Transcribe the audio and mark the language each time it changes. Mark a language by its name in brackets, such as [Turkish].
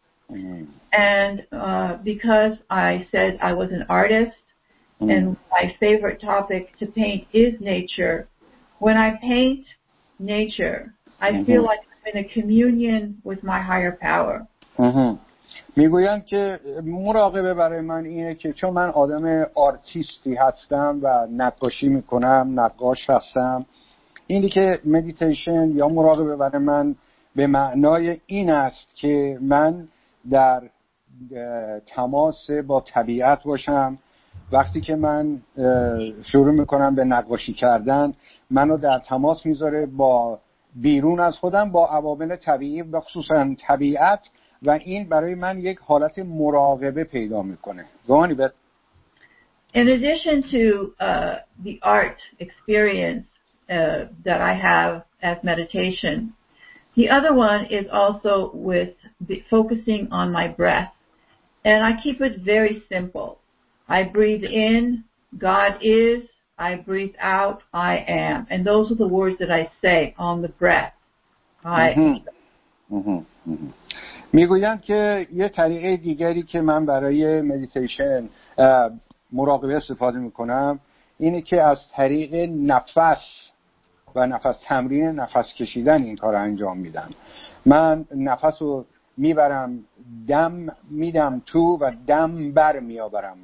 [English] And because I said I was an artist, and my favorite topic to paint is nature, when I paint nature, I feel like I'm in a communion with my higher power. [Persian] میگویم که مراقبه برای من اینه که چون من آدم آرتیستی هستم و نقاشی میکنم، نقاش هستم، اینی که مدیتیشن یا مراقبه برای من به معنای این است که من در تماس با طبیعت باشم. وقتی که من شروع میکنم به نقاشی کردن، منو در تماس میذاره با بیرون از خودم، با عوامل طبیعی و خصوصا طبیعت، و این برای من یک حالت مراقبه پیدا میکنه. گوانی بر. [English] In addition to the art experience that I have as meditation, the other one is also with focusing on my breath. And I keep it very simple. I breathe in, God is. I breathe out, I am. And those are the words that I say on the breath. I am. [Persian] میگویم که یه طریقه دیگری که من برای مدیتیشن مراقبه استفاده میکنم اینه که از طریق نفس و نفس تمرین نفس کشیدن این کار رو انجام میدم. من نفس رو میبرم، دم میدم تو و دم بر میابرم.